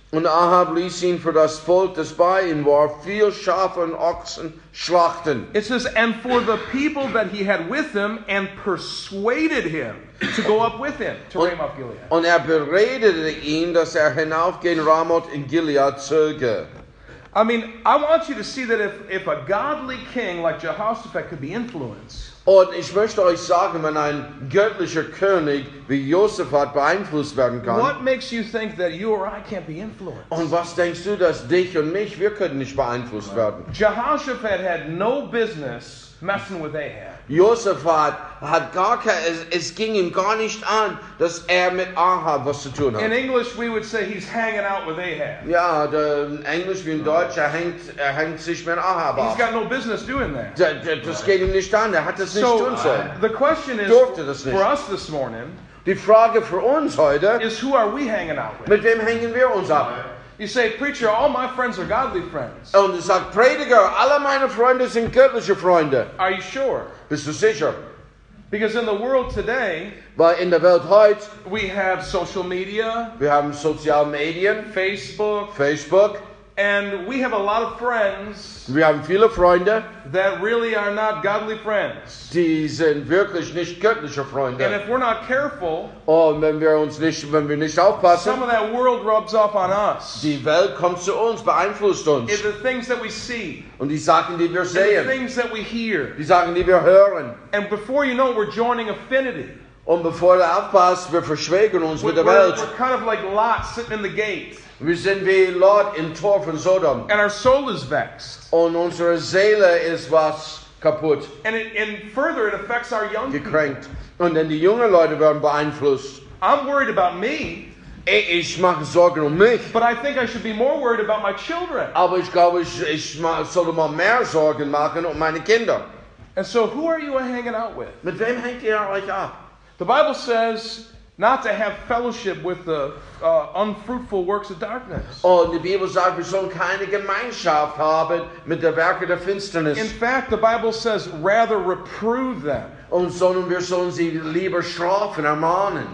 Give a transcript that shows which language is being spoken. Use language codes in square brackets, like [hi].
[de] Und Ahab ließ ihn für das Volk, das bei ihm war, viel Schafe und Ochsen schlachten. [en] It says, and for the people that he had with him and persuaded him to go up with him to Ramoth Gilead. [de] Und beredete ihn, dass hinauf gen Ramoth in Gilead zöge. [en] I mean, I want you to see that if a godly king like Jehoshaphat could be influenced. [de] Und ich möchte euch sagen, wenn ein göttlicher König wie Josaphat beeinflusst werden kann. [en] What makes you think that you or I can't be influenced? [de] Und was denkst du, dass dich und mich, wir können nicht beeinflusst werden? [en] Jehoshaphat had no business messing with Ahab. [de] Josaphat hat gar es ging ihm gar nicht an, dass mit Ahab was zu tun hat. [en] In English, we would say he's hanging out with Ahab. [de] Ja, der Englisch wie in Deutsch, hängt sich mit Ahab [en] auf. He's got no business doing that. [de] Das geht ihm nicht an, hat das nicht tun sollen. [en] The question is, for us this morning, [de] die Frage für uns heute, [en] is who are we hanging out with? [de] Mit wem hängen wir uns ab? [en] You say, preacher, all my friends are godly friends. [de] Und er sagt, Prediger, alle meine Freunde sind göttliche Freunde. [en] Are you sure? [de] Bist du sicher? [en] Because in the world today, [de] weil in der Welt heute, [en] we have social media. [de] Wir haben soziale Medien. [en] Facebook. And we have a lot of friends. [de] Wir haben viele Freunde. [en] That really are not godly friends. [de] Die sind wirklich nicht göttliche Freunde. [en] And if we're not careful, [de] wenn wir nicht aufpassen, [en] some of that world rubs off on us. [de] Die Welt kommt zu uns, beeinflusst uns. [en] And the things that we see. [de] Und die Sachen, die wir sehen. [en] And the things that we hear. [de] Die Sachen, die wir hören. [en] And before you know it, we're joining affinity. [de] Und bevor du aufpasst, wir verschwägern uns mit der Welt. [en] We're kind of like Lot sitting in the gate. [de] Wir sind wie Lot im Tor von Sodom. [en] And our soul is vexed. [de] Und unsere Seele ist was kaputt. [en] And further it affects our young [de] gekränkt. [en] People. [de] Und dann die jungen Leute werden beeinflusst. [en] I'm worried about me. [de] Ich mache Sorgen um mich. [en] But I think I should be more worried about my children. [de] Aber ich glaube, ich sollte mal mehr Sorgen machen um meine Kinder. [en] And so who are you hanging out with? [de] Mit wem hängt ihr euch ab? [en] The Bible says not to have fellowship with the unfruitful works of darkness. [de] Oh, die Bibel sagt, wir sollen keine Gemeinschaft haben mit der Werke der Finsternis. [en] In fact, the Bible says rather reprove them. [de] Und sondern wir sollen sie lieber strafen, ermahnen.